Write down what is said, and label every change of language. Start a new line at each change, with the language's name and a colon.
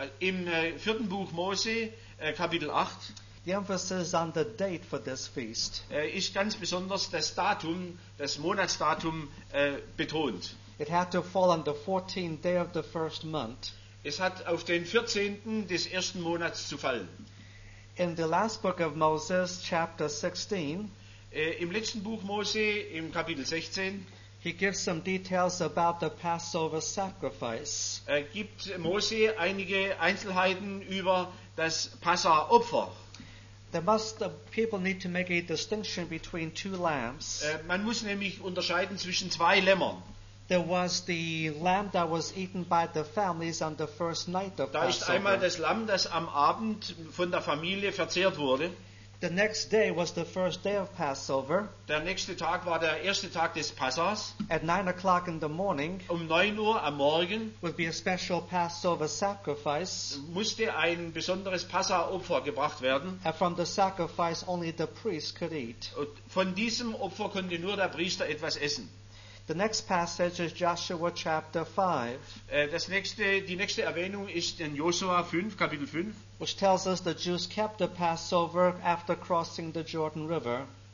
German: Im vierten Buch Mose, Kapitel 8.
English: The emphasis on the date for this feast.
German: Ist ganz besonders das Datum, das Monatsdatum betont.
English: It had to fall on the 14th day of the first month.
German: Es hat auf den 14. des ersten Monats zu fallen.
English: In the last book of Moses, chapter 16,
German: im letzten Buch Mose, im Kapitel 16,
English: he gives some details about the Passover sacrifice.
German: Gibt Mose einige Einzelheiten über das Passa-Opfer.
English: People need to make a distinction between two lambs.
German: Man muss nämlich unterscheiden zwischen zwei Lämmern.
English: There was the lamb that was eaten by the families on the first night of Passover.
German: Da ist einmal das Lamm, das am Abend von der Familie verzehrt wurde.
English: The next day was the first day of Passover.
German: Der nächste Tag war der erste Tag des Passas.
English: At 9 o'clock in the morning.
German: Um 9 Uhr am Morgen.
English: Would be a special Passover sacrifice.
German: Musste ein besonderes Passa-Opfer gebracht werden.
English: And from the sacrifice only the priest could eat.
German: Und von diesem Opfer konnte nur der Priester etwas essen.
English: The next passage is Joshua chapter 5.
German: Die nächste Erwähnung ist in Joshua 5, Kapitel 5.
English: Which tells us the Jews kept the Passover after crossing the Jordan River.